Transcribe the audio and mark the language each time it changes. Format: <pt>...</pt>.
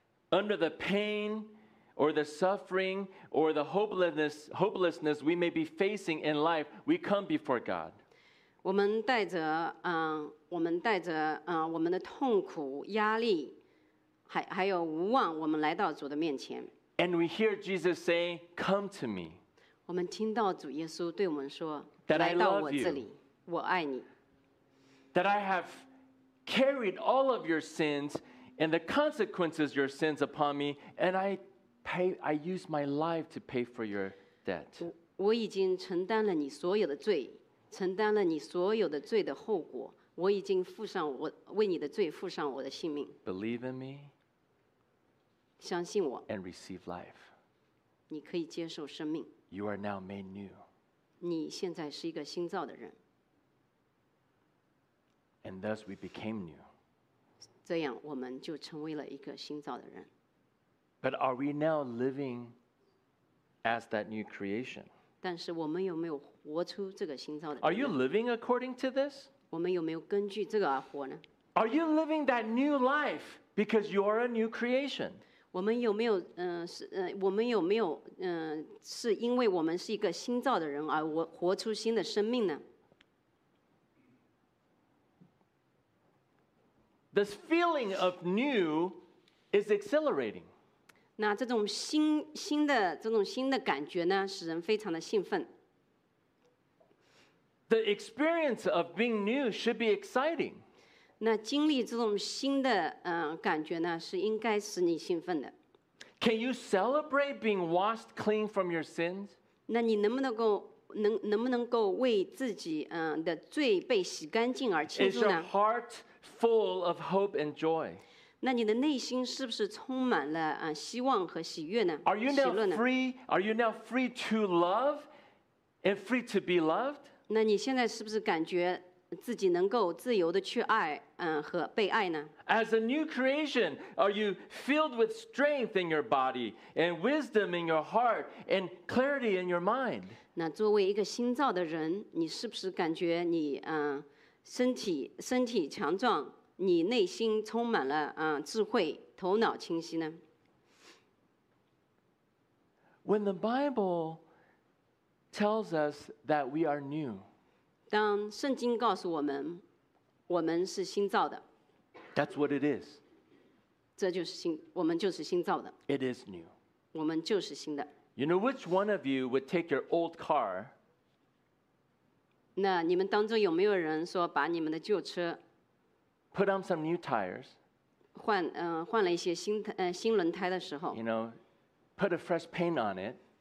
<en>Under the pain, or the suffering, or the hopelessness we may be facing in life, we come before God.</en> <zh>我们带着我们带着我们的痛苦、压力，还有无望，我们来到主的面前。</zh> <en>And we hear Jesus say, "Come to me."</en> <zh>我们听到主耶稣对我们说，</zh> <en>"That I love you.</en> <zh>来到我这里，我爱你。</zh> <en>That I have carried all of your sins and the consequences of your sins upon me, and I use my life to pay for your debt."</en> <zh>我已经承担了你所有的罪，承担了你所有的罪的后果。我已经付上我为你的罪付上我的性命。</zh> <en>Believe in me.</en> <zh>相信我</zh> <en>and receive life.</en> <zh>你可以接受生命。</zh> <en>You are now made new.</en> <zh>你现在是一个新造的人。</zh> <en>And thus we became new.</en> <zh>这样我们就成为了一个新造的人。</zh> <en>But are we now living as that new creation?</en> <zh>但是我们有没有活出这个新造的人？</zh> <en>Are you living according to this?</en> <zh>我们有没有根据这个而活呢？</zh> <en>Are you living that new life because you are a new creation?</en> <zh>我们有没有我们有没有是因为我们是一个新造的人而活出新的生命呢？</zh> <en>This feeling of new is exhilarating.</en> <zh>那这种新的这种新的感觉呢，使人非常的兴奋。</zh> <en>The experience of being new should be exciting.</en> <zh>那经历这种新的感觉呢，是应该使你兴奋的。</zh> <en>Can you celebrate being washed clean from your sins?</en> <zh>那你能不能够为自己的罪被洗干净而庆祝呢？</zh> <en>Is your heart full of hope and joy?</en> <zh>那你的内心是不是充满了希望和喜悦呢？</zh> <en>Are you now free? Are you now free to love and free to be loved?</en> <zh>那你现在是不是感觉？自己能够自由的去爱和被爱呢？</zh> <en>As a new creation, are you filled with strength in your body and wisdom in your heart and clarity in your mind?</en> <zh>那作为一个新造的人，你是不是感觉你身体强壮，你内心充满了智慧，头脑清晰呢？</zh> <en>When the Bible tells us that we are new,</en> <zh>当圣经告诉我们，我们是新造的。</zh> <en>That's what it is.</en> <zh>这就是新，我们就是新造的。</zh> <en>It is new.</en> <zh>我们就是新的。</zh> <en>You know which one of you would take your old car?</en> <zh>那你们当中有没有人说把你们的旧车</zh> <en>？Put on some new tires.</en> <zh>换了一些新轮胎的时候。</zh> <en>You know, put a fresh paint on it.</en>